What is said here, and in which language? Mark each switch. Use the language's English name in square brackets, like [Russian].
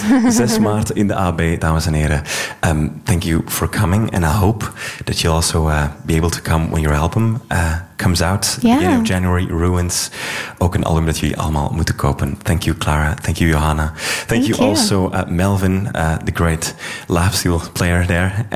[Dutch] Zes maart in de AB, dames en heren. [English] Thank you for coming. And I hope that you'll also be able to come when your album comes out. Yeah. Beginning of January, Ruins. [Dutch] Ook een album dat jullie allemaal moeten kopen. [English] Thank you, Clara. Thank you, Johanna. Thank you. Also, Melvin, the great live steel player there.